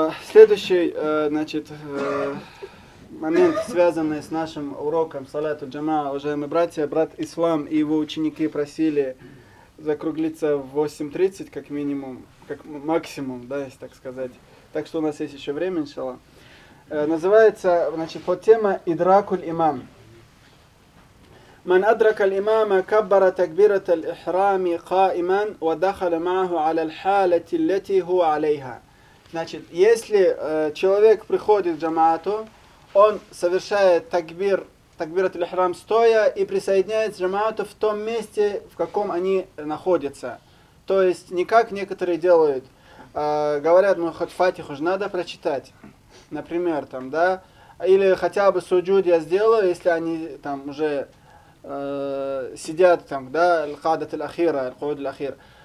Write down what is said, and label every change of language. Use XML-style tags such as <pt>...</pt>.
<ru>Следующий, значит, момент, связанный с нашим уроком Салату Джама. Уважаемые братья, брат Ислам и его ученики просили закруглиться в 8:30, как минимум, как максимум, да, если так сказать. Так что у нас есть еще время, иншалла. Называется, значит, подтема «Идракуль имам».</ru> <ar>من أدرك الإمام كبر تكبيرة الإحرام قائما ودخل معه على الحالة التي هو عليها.</ar> <ru>Значит, если человек приходит в джамаату, он совершает такбир, такбират аль-ихрам стоя и присоединяется к джамаату в том месте, в каком они находятся. То есть не как некоторые делают, говорят, ну хоть фатиху же надо прочитать, например, там, да, или хотя бы суджуд я сделаю, если они там уже сидят там, да, аль-хадат аль-ахира, аль-худ аль-ахир.</ru>